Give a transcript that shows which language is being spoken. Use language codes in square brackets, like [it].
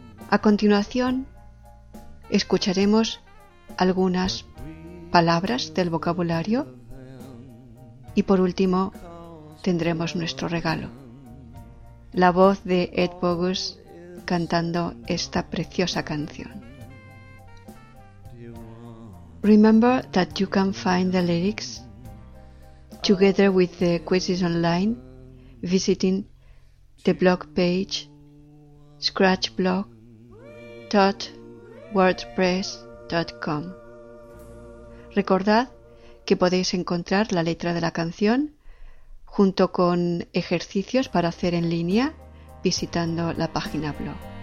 [es] A continuación, escucharemos algunas palabras del vocabulario y por último tendremos nuestro regalo. La voz de Ed Bogus cantando esta preciosa canción. [en] Remember that you can find the lyrics together with the quizzes online visiting the blog page scratchblog.wordpress.com. [es] Recordad que podéis encontrar la letra de la canción junto con ejercicios para hacer en línea visitando la página blog.